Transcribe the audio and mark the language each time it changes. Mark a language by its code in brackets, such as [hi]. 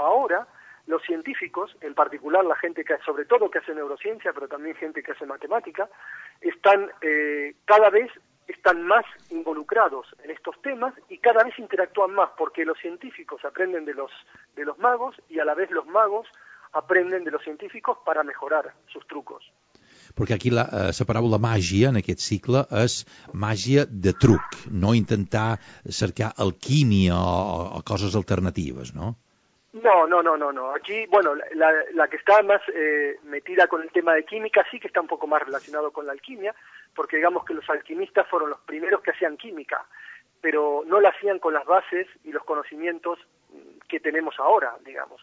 [es] Ahora, los científicos, en particular la gente que, sobre todo, que hace neurociencia, pero también gente que hace matemática, están cada vez están más involucrados en estos temas y cada vez interactúan más, porque los científicos aprenden de los magos y a la vez los magos aprenden de los científicos para mejorar sus trucos. [ca] Perquè aquí la paraula màgia en aquest cicle és màgia de truc, no intentar cercar alquímia o coses alternatives, no? No. [es] Aquí, bueno, la que está más metida con el tema de química sí que está un poco más relacionado con la alquimia, porque digamos que los alquimistas fueron los primeros que hacían química, pero no la hacían con las bases y los conocimientos que tenemos ahora, digamos.